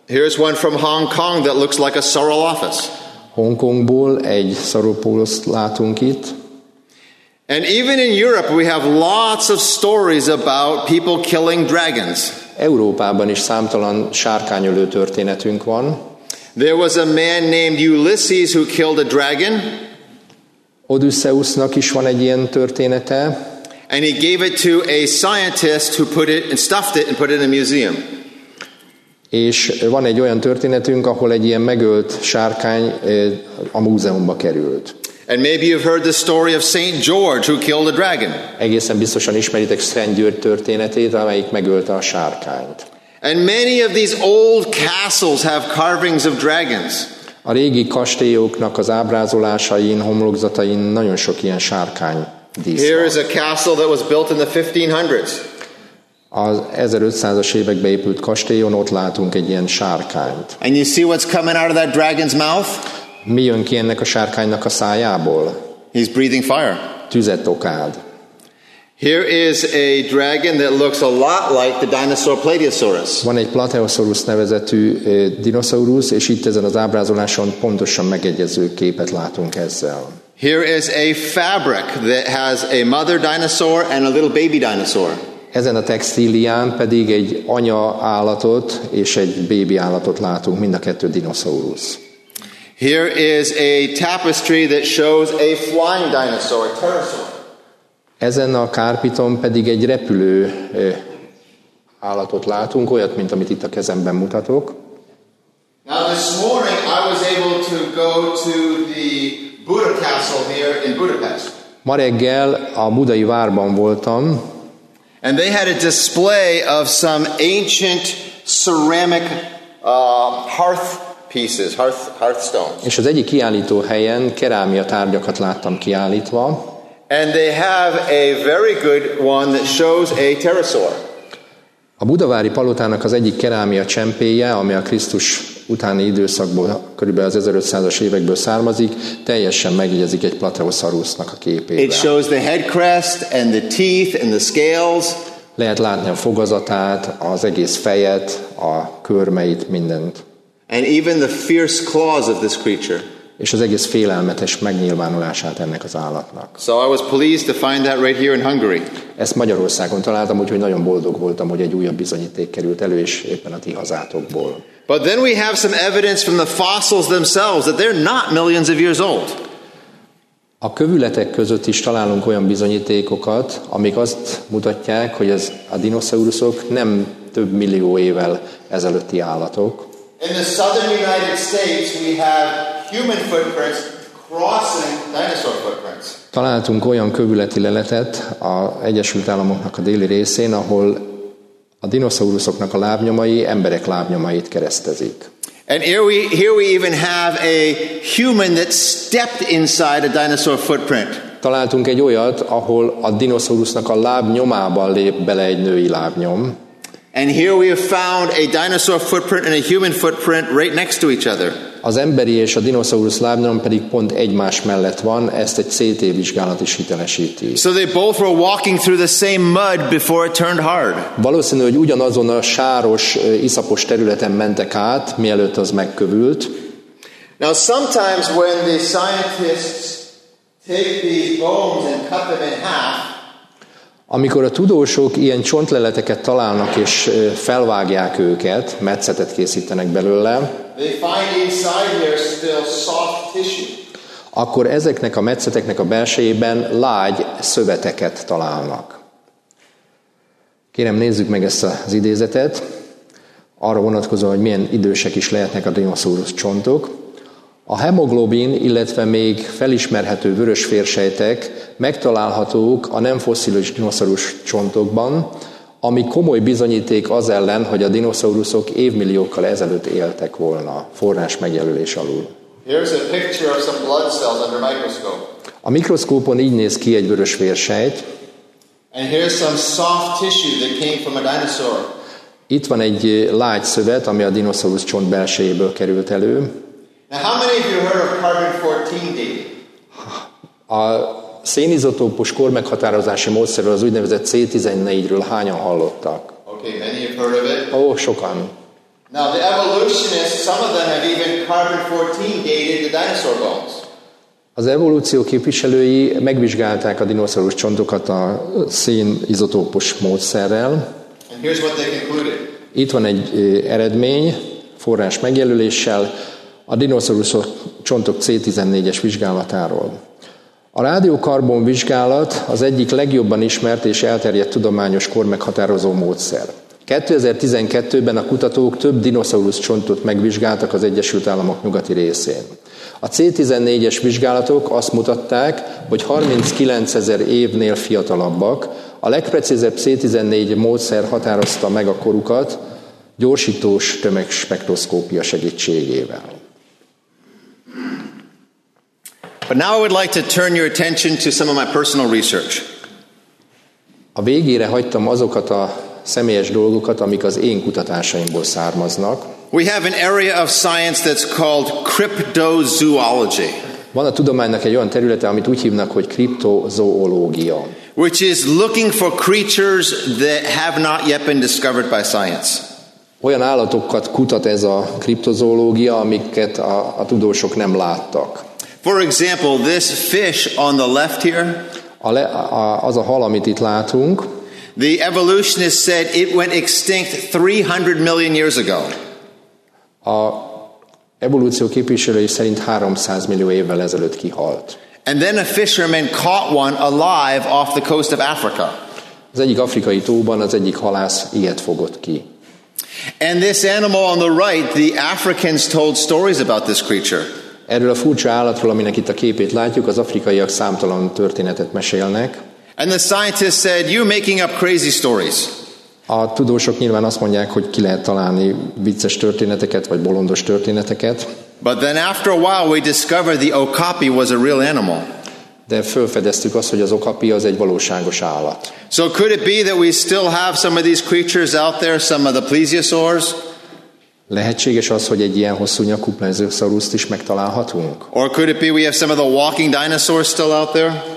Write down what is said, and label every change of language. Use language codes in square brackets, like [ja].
[en] Here's one from Hong Kong that looks like a Saurolophus. [hu] Hongkongból egy Saurolophus látunk itt. [en] And even in Europe we have lots of stories about people killing dragons. [hu] Európában is számtalan sárkányölő történetünk van. [en] There was a man named Ulysses who killed a dragon. [hu] Odysseusnak is van egy ilyen története. [en] And he gave it to a scientist who put it and stuffed it and put it in a museum. [hu] És van egy olyan történetünk, ahol egy ilyen megölt sárkány a múzeumba került. [en] And maybe you've heard the story of Saint George who killed a dragon. [hu] Egészen biztosan ismeritek Szent György történetét, amelyik megölte a sárkányt. [en] And many of these old castles have carvings of dragons. [hu] A régi kastélyoknak az ábrázolásain, homlokzatain nagyon sok ilyen sárkány díszlet. [en] Here is a castle that was built in the 1500s. [hu] Az 1500-as években épült kastélyon ott látunk egy ilyen sárkányt. [en] And you see what's coming out of that dragon's mouth? [hu] Mi jön ki ennek a sárkánynak a szájából? [en] He's breathing fire. [hu] Tüzet okád. [en] Here is a dragon that looks a lot like the dinosaur Plateosaurus. [hu] Van egy Plateosaurus nevezetű dinoszaurusz, és itt ezen az ábrázoláson pontosan megegyező képet látunk ezzel. [en] Here is a fabric that has a mother dinosaur and a little baby dinosaur. [hu] Ezen a textílián pedig egy anya állatot és egy bébi állatot látunk, mind a kettő dinoszaurusz. [en] Here is a tapestry that shows a flying dinosaur, a pterosaur. [hu] Ezen a kárpiton pedig egy repülő állatot látunk, olyat, mint amit itt a kezemben mutatok. [en] Now this morning I was able to go to the Buddha castle here in Budapest. [hu] Ma reggel a budai várban voltam. [en] And they had a display of some ancient ceramic hearth pieces, hearth stones. [hu] És az egyik kiállító helyen kerámia tárgyakat láttam kiállítva. [en] And they have a very good one that shows a pterosaur. [hu] A budavári palotának az egyik kerámia csempéje, ami a Krisztus utáni időszakból, körülbelül az 1500-as évekből származik, teljesen megegyezik egy Plateosaurusnak a képével. [en] It shows the head crest and the teeth and the scales. [hu] Lehet látni a fogazatát, az egész fejet, a körmeit, mindent. [en] And even the fierce claws of this creature. [hu] És az egész félelmetes megnyilvánulását ennek az állatnak. [en] So I was pleased to find that right here in Hungary. [hu] Ezt Magyarországon találtam, úgyhogy nagyon boldog voltam, hogy egy újabb bizonyíték került elő, és éppen a ti hazátokból. [en] But then we have some evidence from the fossils themselves that they're not millions of years old. [hu] A kövületek között is találunk olyan bizonyítékokat, amik azt mutatják, hogy ez a dinoszauruszok nem több millió évvel ezelőtti állatok. [en] In the southern United States we have human footprints crossing dinosaur footprints. [hu] Találtunk olyan kövületi leletet az Egyesült Államoknak a déli részén, ahol a dinoszauruszoknak a lábnyomai emberek lábnyomait keresztezik. [en] And here we even have a human that stepped inside a dinosaur footprint. [hu] Találtunk egy olyat, ahol a dinoszaurusznak a lábnyomában lép bele egy női lábnyom. [en] And here we have found a dinosaur footprint and a human footprint right next to each other. [hu] Az emberi és a dinoszaurusz lábnyom pedig pont egymás mellett van, ezt egy CT vizsgálat is hitelesíti. [en] So they both were walking through the same mud before it turned hard. [hu] Valószínű, hogy ugyanazon a sáros, iszapos területen mentek át, mielőtt az megkövült. [en] Now sometimes when the scientists take these bones and cut them in half, [hu] amikor a tudósok ilyen csontleleteket találnak és felvágják őket, metszetet készítenek belőle, [en] they find inside here still soft tissue. [hu] Akkor ezeknek a metszeteknek a belsejében lágy szöveteket találnak. Kérem, nézzük meg ezt az idézetet. Arra vonatkozóan, hogy milyen idősek is lehetnek a dinoszaurusz csontok. A hemoglobin, illetve még felismerhető vörös vérsejtek megtalálhatók a nem fosszilis dinoszaurusz csontokban, ami komoly bizonyíték az ellen, hogy a dinoszauruszok évmilliókkal ezelőtt éltek volna, forrás megjelölés alul. [en] Here's a picture of some blood cells under microscope. [hu] A mikroszkópon így néz ki egy vörös vérsejt. [en] And here's some soft tissue that came from a dinosaur. [hu] Itt van egy lágy szövet, ami a dinoszaurusz csont belsejéből került elő. [en] Now how many of you heard of carbon-14 dating? [hu] A szénizotópos kormeghatározási módszerről, az úgynevezett C14-ről hányan hallottak? [en] Okay, many have heard of it. [hu] Sokan. [en] Now the evolutionists, some of them have even carbon-14 dated the dinosaur bones. [hu] Az evolúció képviselői megvizsgálták a dinoszaurus csontokat a szénizotópos módszerrel. [en] And here's what they concluded. [hu] Itt van egy eredmény, forrás megjelöléssel, a dinoszaurusz csontok C14-es vizsgálatáról. A rádiókarbon vizsgálat az egyik legjobban ismert és elterjedt tudományos kormeghatározó módszer. 2012-ben a kutatók több dinoszaurusz csontot megvizsgáltak az Egyesült Államok nyugati részén. A C14-es vizsgálatok azt mutatták, hogy 39 ezer évnél fiatalabbak. A legprecízebb C14 módszer határozta meg a korukat gyorsítós tömegspektroszkópia segítségével. [en] But now I would like to turn your attention to some of my personal research. [hu] A végére hagytam azokat a személyes dolgokat, amik az én kutatásaimból származnak. [en] We have an area of science that's called cryptozoology. [hu] Van a tudománynak egy olyan területe, amit úgy hívnak, hogy kriptozoológia. [en] Which is looking for creatures that have not yet been discovered by science. [hu] Olyan állatokat kutat ez a kriptozoológia, amiket a tudósok nem láttak. [en] For example, this fish on the left here. [hu] Az a hal, amit itt látunk. [en] The evolutionists said it went extinct 300 million years ago. [hu] A evolúció képviselői szerint 300 millió évvel ezelőtt kihalt. [en] And then a fisherman caught one alive off the coast of Africa. [hu] Az egyik afrikai tóban az egyik halász ilyet fogott ki. [en] And this animal on the right, the Africans told stories about this creature. [hu] Erről a furcsa állatról, aminek itt a képét látjuk, az afrikaiak számtalan történetet mesélnek. [en] And the scientists said, "You're making up crazy stories." [hu] A tudósok nyilván azt mondják, hogy ki lehet találni vicces történeteket vagy bolondos történeteket. [en] But then after a while we discovered the okapi was a real animal. [hu] De felfedeztük azt, hogy az okapi az egy valóságos állat. [en] So could it be that we still have some of these creatures out there, some of the plesiosaurs? [hu] Lehetséges az, hogy egy ilyen hosszú nyakú plezioszauruszt is megtalálhatunk? [en] Or could it be we have some of the walking dinosaurs still out there?